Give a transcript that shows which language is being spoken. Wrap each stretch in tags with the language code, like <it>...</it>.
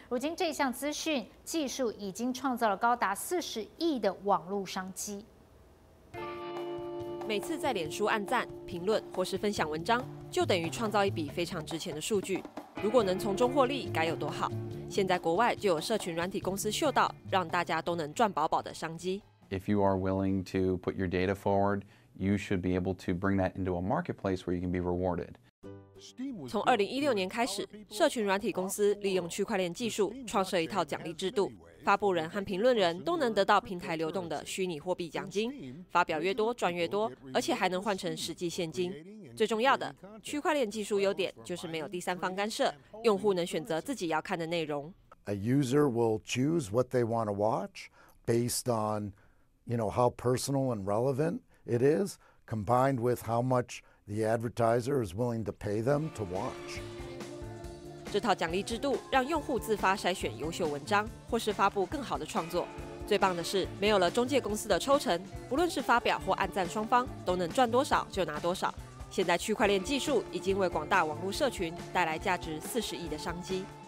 <zh>如今这项资讯技术已经创造了高达40亿的网络商机。每次在脸书按赞、评论或是分享文章，就等于创造一笔非常值钱的数据。如果能从中获利，该有多好！现在国外就有社群软体公司嗅到让大家都能赚饱饱的商机。</zh> <en>If you are willing to put your data forward, you should be able to bring that into a marketplace where you can be rewarded.</en> <zh>从2016年开始，社群软体公司利用区块链技术创设一套奖励制度。发布人和评论人都能得到平台流动的虚拟货币奖金，发表越多赚越多，而且还能换成实际现金。最重要的，区块链技术优点就是没有第三方干涉，用户能选择自己要看的内容。</zh> <en>A user will choose what they want to watch based on, you know, how personal and relevant it is, combined with how much the advertiser is willing to pay them to watch.</en> <zh>这套奖励制度让用户自发筛选优秀文章，或是发布更好的创作。最棒的是，没有了中介公司的抽成，不论是发表或按赞双方，都能赚多少就拿多少。现在区块链技术已经为广大网络社群带来价值40亿的商机。</zh>